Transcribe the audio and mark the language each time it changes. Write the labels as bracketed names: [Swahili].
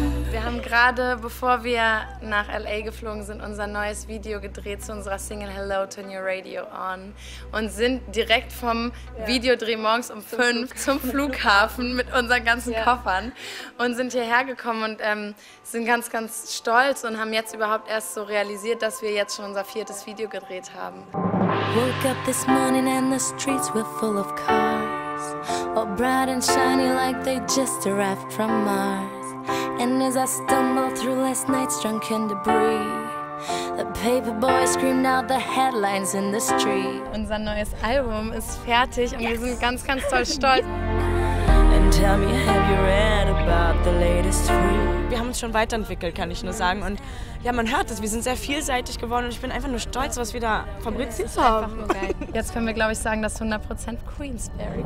[German] Wir haben gerade, bevor wir nach L.A. geflogen sind, unser neues Video gedreht zu unserer Single Hello, Turn Your Radio On und sind direkt vom Videodreh morgens um 5 zum Flughafen mit unseren ganzen Koffern und sind hierher gekommen und sind ganz, ganz stolz und haben jetzt überhaupt erst so realisiert, dass wir jetzt schon unser viertes Video gedreht haben. [English] Woke up this morning and the streets were full of cars, all bright and shiny like they just arrived from Mars. And as I stumbled through last night's drunken debris, the paper boy screamed out the headlines in the street. [German] Unser neues Album ist fertig und wir sind ganz, ganz toll stolz. [English] And tell me, have you read about the latest three? [German] Wir haben uns schon weiterentwickelt, kann ich nur sagen. Und ja, man hört es, wir sind sehr vielseitig geworden und ich bin einfach nur stolz, was wir da fabriziert haben. Jetzt können wir, glaube ich, sagen, dass 100% Queensberry.